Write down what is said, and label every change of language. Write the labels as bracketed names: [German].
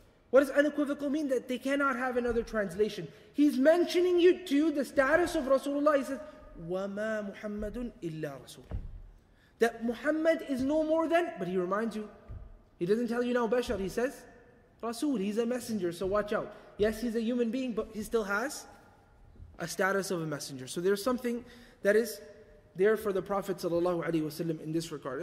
[English] What does unequivocal mean? That they cannot have another translation. He's mentioning to you the status of Rasulullah. He says, [Arabic] وَمَا مُحَمَّدٌ إِلَّا رَسُولٌ. [English] That Muhammad is no more than, but he reminds you, he doesn't tell you now Bashar, he says, Rasul, he's a messenger, so watch out. Yes, he's a human being, but he still has a status of a messenger. So there's something that is there for the Prophet sallallahu alaihi wasallam in this regard.